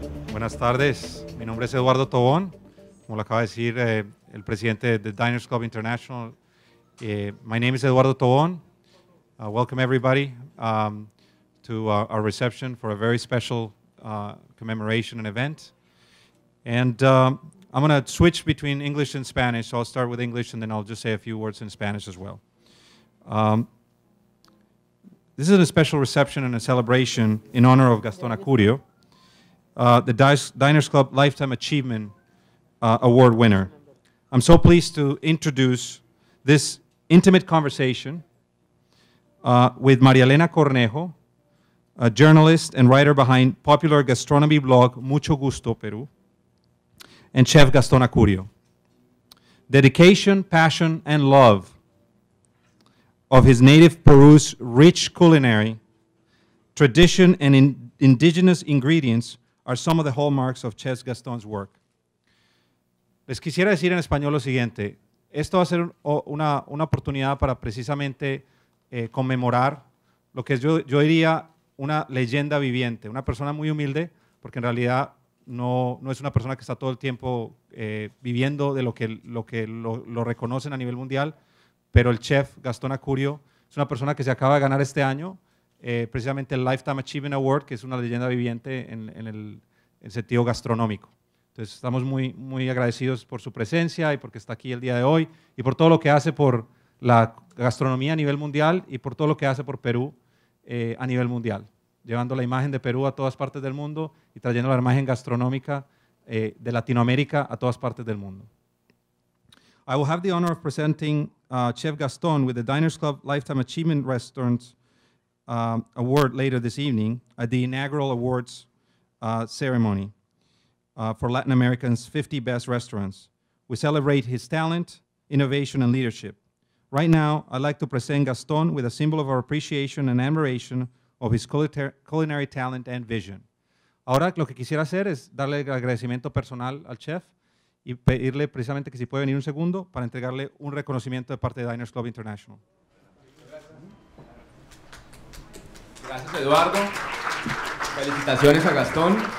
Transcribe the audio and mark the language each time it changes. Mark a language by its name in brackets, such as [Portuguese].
[Spanish] Buenas tardes, mi nombre es Eduardo Tobón, como lo acaba de decir el presidente de Diners Club International. [English] My name is Eduardo Tobón. Welcome everybody to our reception for a very special commemoration and event. And I'm going to switch between English and Spanish, so I'll start with English and then I'll just say a few words in Spanish as well. This is a special reception and a celebration in honor of Gastón Acurio, the Diners Club Lifetime Achievement Award winner. I'm so pleased to introduce this intimate conversation with María Elena Cornejo, a journalist and writer behind popular gastronomy blog Mucho Gusto Perú, and chef Gastón Acurio. Dedication, passion, and love of his native Peru's rich culinary, tradition, and indigenous ingredients are some of the hallmarks of Chef Gastón's work. [Spanish] Les quisiera decir en español lo siguiente. Esto va a ser una oportunidad para precisamente conmemorar lo que yo diría una leyenda viviente, una persona muy humilde, porque en realidad no es una persona que está todo el tiempo viviendo de lo que lo reconocen a nivel mundial, pero el chef Gastón Acurio es una persona que se acaba de ganar este año precisamente el Lifetime Achievement Award, que es una leyenda viviente en el sentido gastronómico. Entonces estamos muy, muy agradecidos por su presencia y porque está aquí el día de hoy y por todo lo que hace por la gastronomía a nivel mundial y por todo lo que hace por Perú a nivel mundial, llevando la imagen de Perú a todas partes del mundo y trayendo la imagen gastronómica de Latinoamérica a todas partes del mundo. [English] I will have the honor of presenting Chef Gastón with the Diners Club Lifetime Achievement Restaurants Award later this evening at the inaugural awards ceremony for Latin America's 50 best restaurants. We celebrate his talent, innovation, and leadership. Right now, I'd like to present Gastón with a symbol of our appreciation and admiration of his culinary talent and vision. [Spanish] Ahora lo que quisiera hacer es darle el agradecimiento personal al chef y pedirle precisamente que si puede venir un segundo para entregarle un reconocimiento de parte de Diners Club International. Gracias, Eduardo. Felicitaciones a Gastón.